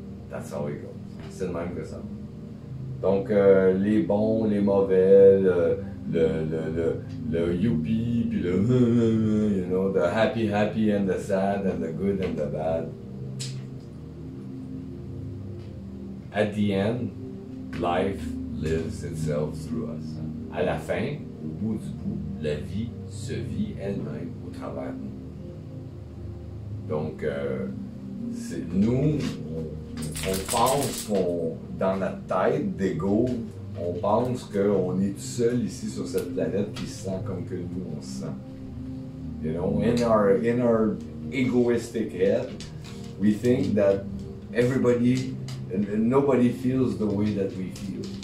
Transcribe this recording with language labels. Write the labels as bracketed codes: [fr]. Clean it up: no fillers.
[en] That's how it goes. [fr] C'est le même que ça. Donc, les bons, les mauvais, le youpi, puis le [en] you know, the happy and the sad and the good and the bad. At the end, life lives itself through us. [fr] À la fin, au bout du bout, la vie se vit elle-même au travers de nous. Donc, c'est nous, on pense qu'on, dans notre tête d'ego, on pense qu'on est tout seul ici sur cette planète qui se sent comme que nous on se sent. [en] You know, in our egoistic head, we think that everybody, nobody feels the way that we feel.